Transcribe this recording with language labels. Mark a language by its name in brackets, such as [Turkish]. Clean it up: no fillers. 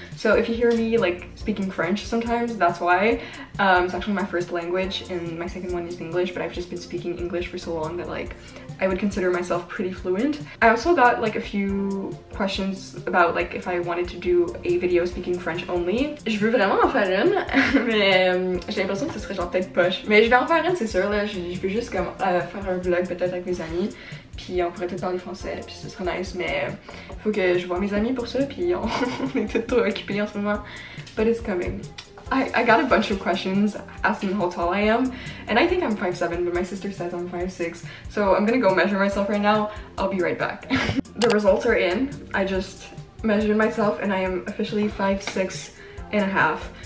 [English] So if you hear me like speaking French sometimes, that's why. It's actually my first language and my second one is English, but I've just been speaking English for so long that like I would consider myself pretty fluent. I also got like a few questions about like if I wanted to do a video speaking French only. [French] Je veux vraiment en faire une, mais j'ai l'impression que ce serait genre peut-être poche. Mais je vais en faire une, c'est sûr là. Je veux juste comme faire un vlog peut-être avec mes amis. Puis on pourrait peut-être parler français, puis ce serait nice, mais faut que je vois mes amis pour ça, puis on est peut-être trop occupés en ce moment. [English] But it's coming. I got a bunch of questions asking how tall I am, and I think I'm 5'7", but my sister says I'm 5'6", so I'm gonna go measure myself right now. I'll be right back. The results are in. I just measured myself, and I am officially 5'6 and a half.